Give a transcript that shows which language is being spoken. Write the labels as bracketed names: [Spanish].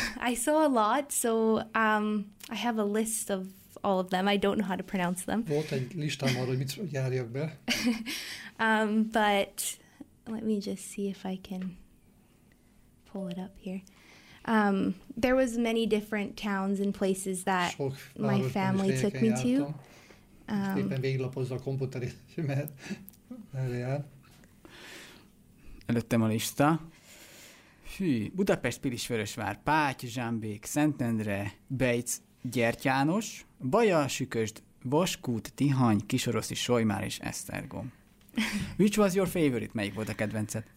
[English] I saw a lot, so I have a list of all of them. I don't know how to pronounce them. [Hungarian] Volt egy listám arra, hogy mit járjak be. [English] But let me just see if I can pull it up here. There was many different towns and places that my family took me to. [Hungarian] Éppen véglapozza a komputeri, mert erre jár. előttem a lista. Hű, Budapest, Pilisvörösvár, Páty, Zsámbék, Szentendre, Bejc, Gyertyános, Baja, Süközd, Vaskút, Tihany, Kisoroszi, Solymár és Esztergom. [English] Which was your favorite? [Hungarian] Melyik volt a kedvenced?